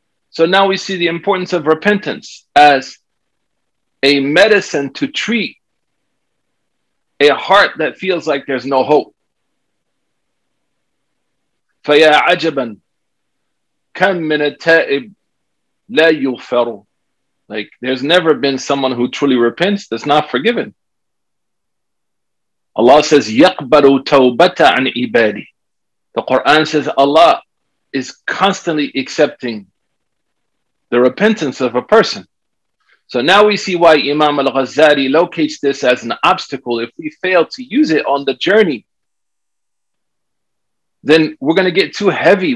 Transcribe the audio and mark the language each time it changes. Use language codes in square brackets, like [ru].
[en] So now we see the importance of repentance as a medicine to treat a heart that feels like there's no hope. [ar] فَيَا عَجَبًا كَمْ مِنَ التَّائِبْ لَا يُغْفَرُ [en] Like, there's never been someone who truly repents that's not forgiven. Allah says, [ar] يَقْبَلُ تَوْبَةَ عَنْ عِبَادِي. [en] The Quran says Allah is constantly accepting the repentance of a person. So now we see why Imam Al-Ghazali locates this as an obstacle. If we fail to use it on the journey, then we're going to get too heavy.